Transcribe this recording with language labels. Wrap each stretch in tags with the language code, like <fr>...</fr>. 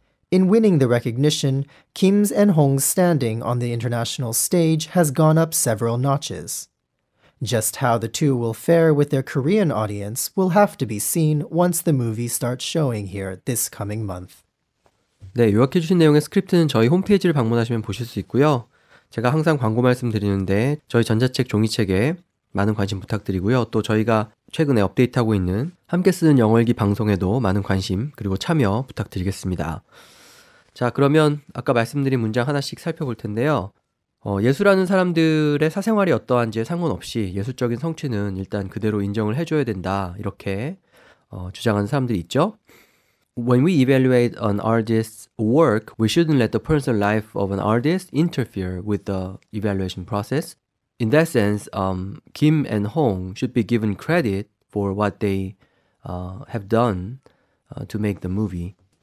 <en>In winning the recognition, Kim's and Hong's standing on the international stage has gone up several notches. Just how the two will fare with their Korean audience will have to be seen once the movie starts showing here this coming month.</en> <ko>네, 요약해 주신 내용의 스크립트는 저희 홈페이지를 방문하시면 보실 수 있고요. 제가 항상 광고 말씀드리는데 저희 전자책 종이책에 많은 관심 부탁드리고요. 또 저희가 최근에 업데이트하고 있는 함께 쓰는 영어일기 방송에도 많은 관심 그리고 참여 부탁드리겠습니다. 자, 그러면 아까 말씀드린 문장 하나씩 살펴볼 텐데요. 예술하는 사람들의 사생활이 어떠한지에 상관없이 예술적인 성취는 일단 그대로 인정을 해줘야 된다. 이렇게 주장하는 사람들이 있죠.</ko> <en>When we evaluate an artist's work, we shouldn't let the personal life of an artist interfere with the evaluation process. In that sense, Kim and Hong should be given credit for what they have done to make the movie.</en>